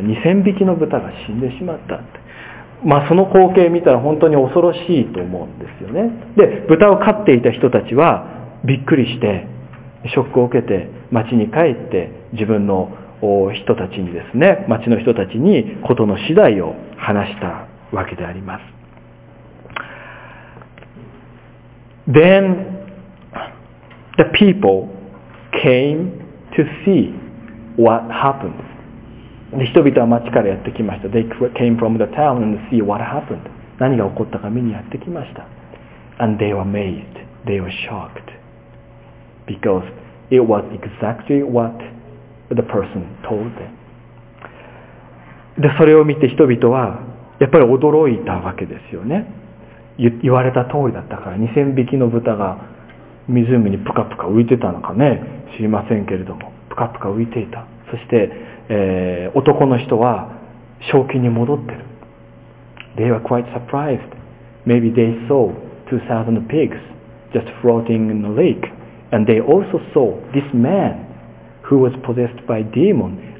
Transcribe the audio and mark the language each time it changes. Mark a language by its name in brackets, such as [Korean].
[Japanese] 2000匹の豚が死んでしまったって。まあその光景見たら本当に恐ろしいと思うんですよね。で、豚を飼っていた人たちはびっくりしてショックを受けて町に帰って自分の人たちにですね、町の人たちに事の次第を話したわけであります。 [English] Then the people came to see what happened. [Japanese] で、人々は町からやってきました。 [English] They came from the town and see what happened. [Japanese] 何が起こったか見にやってきました。 [English] And they were amazed. They were shocked. Because it was exactly what the person told them. [Japanese] で、それを見て人々はやっぱり驚いたわけですよね。言われた通りだったから、2000匹の豚が湖にプカプカ浮いてたのかね、知りませんけれども、プカプカ浮いていた。そして、男の人は正気に戻ってる。 [English] They were quite surprised. Maybe they saw 2,000 pigs just floating in the lake. And they also saw this man who was possessed by demon.